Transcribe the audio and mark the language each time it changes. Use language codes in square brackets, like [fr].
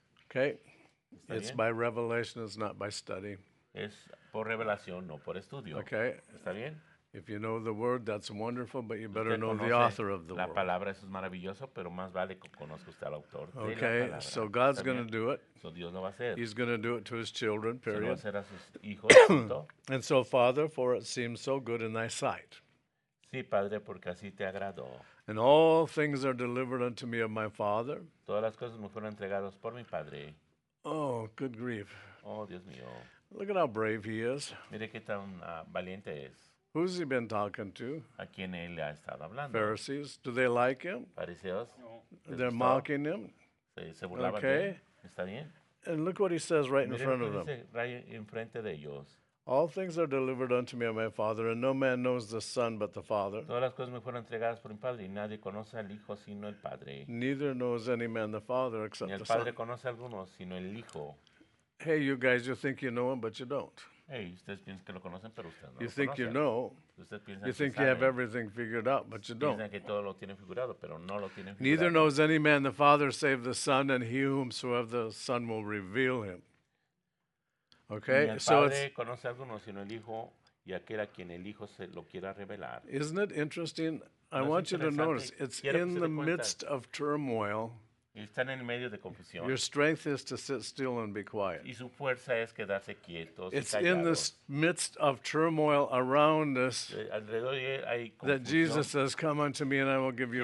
[en] Okay, it's by revelation, it's not by study. Okay, if you know the word, that's wonderful, but you better know the author of the word. [es] La palabra es maravilloso, pero más vale que conozca usted al autor. [en] Okay, so God's going to do it. [es] So Dios lo va a hacer. [en] He's going to do it to his children, period. [es] Se lo va a hacer a sus hijos, punto. [en] And so, Father, for it seems so good in thy sight. [es] Sí, Padre, porque así te agradó. [en] And all things are delivered unto me of my Father. [es] Todas las cosas me fueron entregadas por mi Padre. [en] Oh, good grief. [es] Oh, Dios mío. [en] Look at how brave he is. [es] Mire qué tan valiente es. [en] Who's he been talking to? [es] ¿A quién él ha estado hablando? [en] Pharisees. Do they like him? [es] Fariseos. [en] No. They're mocking him. [es] Se burlaban de él. ¿Está bien? [en] And look what he says right in front of them. All things are delivered unto me of my Father, and no man knows the Son but the Father. [es] Todas las cosas me fueron entregadas por mi Padre, y nadie conoce al Hijo sino el Padre. [en] Neither knows any man the Father except the Son. [es] Ni el Padre conoce a alguno sino el Hijo. [en] Hey, you guys, you think you know him, but you don't. [es] Hey, ustedes piensan que lo conocen, pero ustedes no [en] you [es] lo [en] think [es] conocen. [en] You know. [es] Ustedes piensan [en] you think [es] saben. [en] You have everything figured out, but you don't. [es] Piensan que todo lo tienen figurado, pero no lo tienen figurado. [en] Neither knows any man the Father save the Son, and he whomsoever the Son will reveal him. Okay? [es] Ni el Padre conoce a alguno, sino el Hijo, y aquel a quien el Hijo se lo quiera revelar. [en] Isn't it interesting? I want you to notice, it's in the midst of turmoil. [es] Están en medio de confusión. [en] Your strength is to sit still and be quiet. [es] Y su fuerza es quedarse quietos. [en] It's in the midst of turmoil around us that Jesus says, come unto me and I will give you